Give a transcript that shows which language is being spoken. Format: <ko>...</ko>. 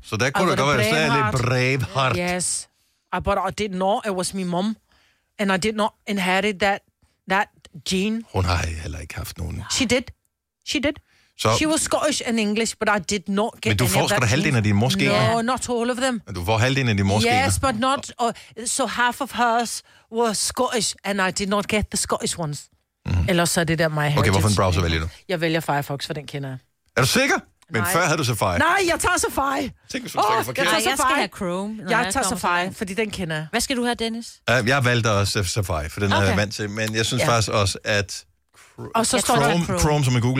<da>Så der kunne du godt være særlig Braveheart.</da> <en>Yes. But I didn't know it was my mom. And I did not inherit that gene.</en> <da>Hun har heller ikke haft nogen.</da> <en>She did. So, she was Scottish and English, but I did not get any of that.</en> <da>Men du får skal halvdelen af dine morskener.</da> <en>No, not all of them.</en> <da>Men du får halvdelen af dine morskener.</da> <en>Yes, but not... So half of hers were Scottish, and I did not get the Scottish ones. Mm-hmm.</en> <da>Ellers så er det der</da> <en>my heritage.</en> <da>Okay, hvorfor en browser vælger du? Jeg vælger Firefox, for den kender jeg. Er du sikker? Men nej. Før havde du Safari. Nej, jeg tager Safari. Tænk, hvis du tager forkert. Jeg tager Safari. Jeg skal have Chrome. Jeg tager Safari, fordi den kender jeg. Hvad skal du have, Dennis? Jeg valgte også Safari, for den okay. er jeg vant til. Men jeg synes faktisk også, at Chrome, som er Google,</da>